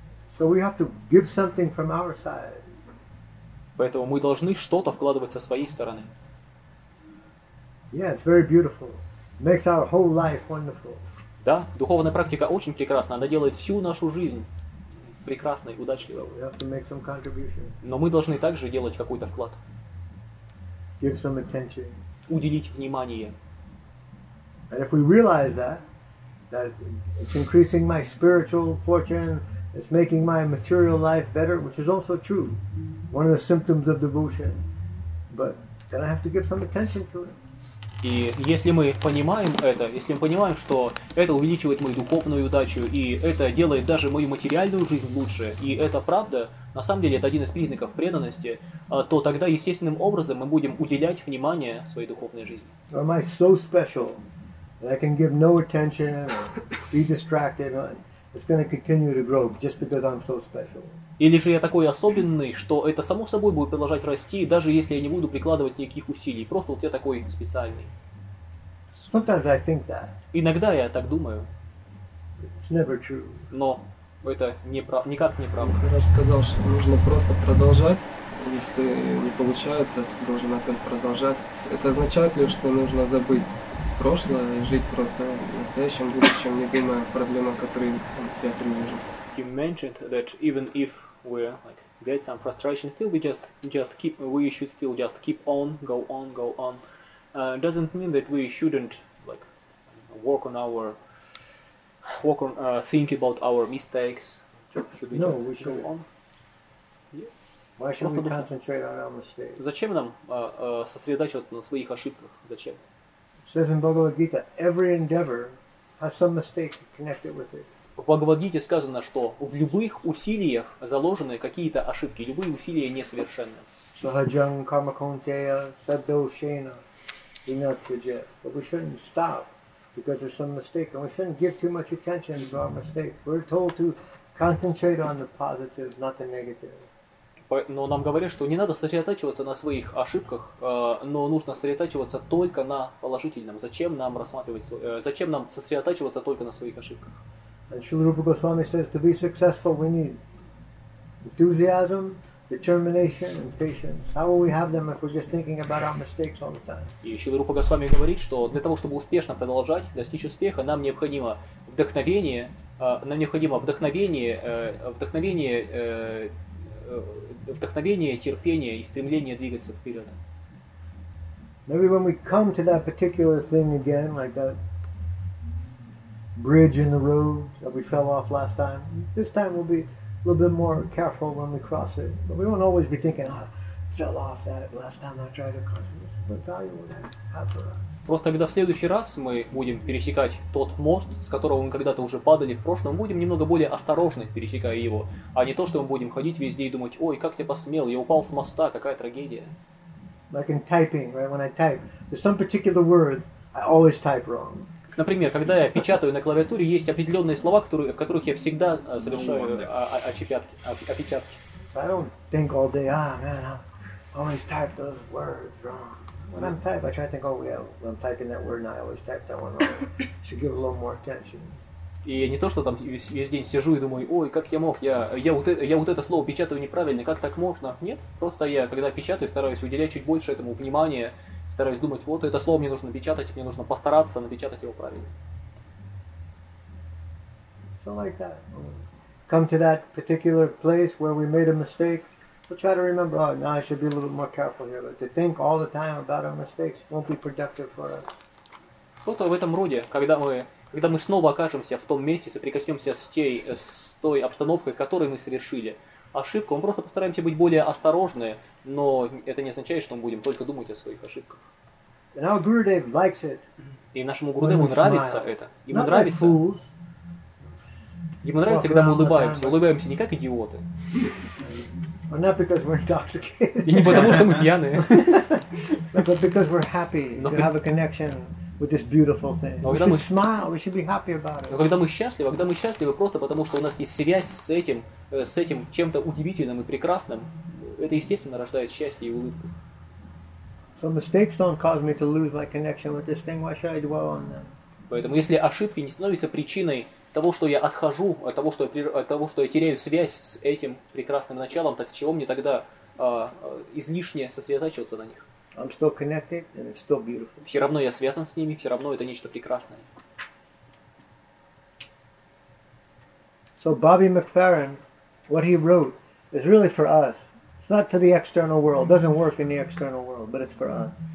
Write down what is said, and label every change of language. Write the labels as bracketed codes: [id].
[en] So we have to give something from our side. [ru] Поэтому мы должны что-то вкладывать со своей стороны. [en] Yeah, it's very beautiful. It makes our whole life wonderful. [ru] Да, духовная практика очень прекрасна. Она делает всю нашу жизнь прекрасной, удачливой. [en] We have to make some contribution. [ru] Но мы должны также делать какой-то вклад. [en] Give some attention. [ru] Уделить внимание. [en] And if we realize that it's increasing my spiritual fortune. It's making my material life better, which is also true. One of the symptoms of devotion. But then I have to give some attention to it. [ru] И если мы понимаем это, если мы понимаем, что это увеличивает мою духовную удачу, и это делает даже мою материальную жизнь лучше, и это правда, на самом деле это один из признаков преданности, то тогда естественным образом мы будем уделять внимание своей духовной жизни. [en] Or am I so special that I can give no attention or be distracted? It's going to continue to grow just because I'm so special. [ru] Или же я такой особенный, что это само собой будет продолжать расти, даже если я не буду прикладывать никаких усилий. Просто вот я такой специальный. [en] Sometimes I think that. [ru] Иногда я так думаю. [en] It's never true. [ru] Но это никак не правда. Ты раньше сказал, что нужно просто продолжать. Если не получается, ты должен опять продолжать. Это означает ли, что нужно забыть прошлое, жить просто в настоящем будущем, не думая о проблемах, которые я привожу. [en] You mentioned that even if we get some frustration, still we just keep on, go on. Doesn't mean that we shouldn't work on our work on think about our mistakes. Should we no, just we should go on. Yeah. Why should we concentrate on our mistakes? [ru] Зачем нам сосредотачиваться на своих ошибках? Зачем? [en] It says in Bhagavad Gita, every endeavor has some mistake connected with it. [ru] В Бхагавад-гите сказано, что в любых усилиях заложены какие-то ошибки, любые усилия несовершенны. [sa] Sahajam karma kaunteya sadoshena vinatyajya. [en] But we shouldn't stop because there's some mistake. And we shouldn't give too much attention to our mistakes. We're told to concentrate on the positive, not the negative. [ru] Но нам говорят, что не надо сосредотачиваться на своих ошибках, но нужно сосредотачиваться только на положительном. Зачем нам рассматривать, зачем нам сосредотачиваться только на своих ошибках? [en] And Srila Rupa Goswami says, to be successful, we need enthusiasm, determination, and patience. How will we have them if we're just thinking about our mistakes all the time? [ru] И Srila Rupa Goswami говорит, что для того, чтобы успешно продолжать, достичь успеха, нам необходимо вдохновение, вдохновение, терпение и стремление двигаться вперед. [en] Maybe when we come to that particular thing again, like that bridge in the road that we fell off last time. This time we'll be a little bit more careful when we cross it. But we won't always be thinking, oh, I fell off that last time I tried to cross it. But value would have for us. [ru] Просто когда в следующий раз мы будем пересекать тот мост, с которого мы когда-то уже падали в прошлом, мы будем немного более осторожны, пересекая его, а не то, что мы будем ходить везде и думать, ой, как я посмел, я упал с моста, какая трагедия. [en] Like in typing, right, when I type, there's some particular words I always type wrong. [ru] Например, когда я печатаю на клавиатуре, есть определенные слова, которые, в которых я всегда совершаю опечатки. [en] So I don't think all day, ah, man, I always type those words wrong. When I'm typing, I try to think, oh, yeah, when I'm typing that word, and I always type that one wrong. I should give a little more attention. [ru] И не то, что там весь день сижу и думаю, ой, как я мог, я вот это слово печатаю неправильно, как так можно? Нет, просто я, когда печатаю, стараюсь уделять чуть больше этому внимания, стараюсь думать, вот это слово мне нужно печатать, мне нужно постараться напечатать его правильно. [en] So like that. Come to that particular place where we made a mistake. We'll try to remember, oh, now I should be a little more careful here, but to think all the time about our mistakes won't be productive for us. [ru] Что-то в этом роде, когда мы снова окажемся в том месте, соприкоснемся с той обстановкой, в которой мы совершили ошибку, мы просто постараемся быть более осторожны, но это не означает, что мы будем только думать о своих ошибках. [en] And our Gurudev likes it. [ru] И нашему Гурудеву нравится [en] smile. [ru] Это. Ему нравится. [en] Not like fools. [ru] Ему нравится, когда мы улыбаемся. Улыбаемся не как идиоты. [en] Or not because we're intoxicated. [ru] И не потому, что мы пьяные. [en] But because we're happy to have a connection with this beautiful thing. We should smile, we should be happy about it. [ru] Но когда мы счастливы просто потому, что у нас есть связь с этим чем-то удивительным и прекрасным, это, естественно, рождает счастье и улыбку. [en] So mistakes don't cause me to lose my connection with this thing. Why should I dwell on them? [ru] Поэтому, если ошибки не становятся причиной того, что я отхожу, от того, что я теряю связь с этим прекрасным началом, так чего мне тогда излишне сосредотачиваться на них? [en] I'm still connected and it's still beautiful. [ru] Все равно я связан с ними, все равно это нечто прекрасное. [en] So Bobby McFerrin, what he wrote is really for us. It's not for the external world. It doesn't work in the external world, but it's for us.